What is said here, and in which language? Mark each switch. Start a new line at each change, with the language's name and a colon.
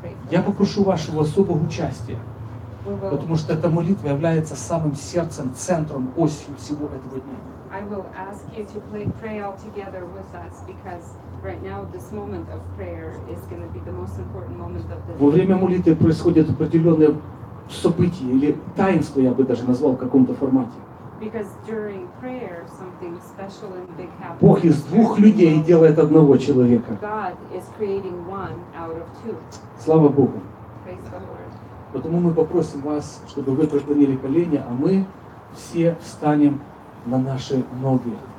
Russian: Я попрошу вашего особого участия, потому что эта молитва является самым сердцем, центром, осью всего этого дня.
English: I will ask you to pray all together with us, because right now this moment of prayer is going to be the most important moment of the day.
Russian: Во время молитвы происходят определенные события или таинство, я бы даже назвал в каком-то формате.
English: Because during prayer something special and big happens.
Russian: Бог из двух людей делает одного человека.
English: God is creating one out of two.
Russian: Слава Богу.
English: Praise the Lord.
Russian: Поэтому мы попросим вас, чтобы вы преклонили колени, а мы все встанем на наши ноги.